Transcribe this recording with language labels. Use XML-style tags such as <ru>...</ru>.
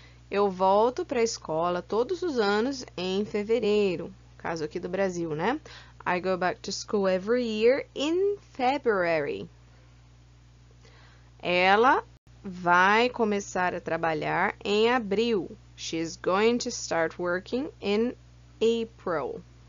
<pt>Eu volto para a escola todos os anos em fevereiro, caso aqui do Brasil, né?</pt> <en>I go back to school every year in February.</en> <pt>Ela vai começar a trabalhar em abril.</pt> <en>She's going to start working in April.</en>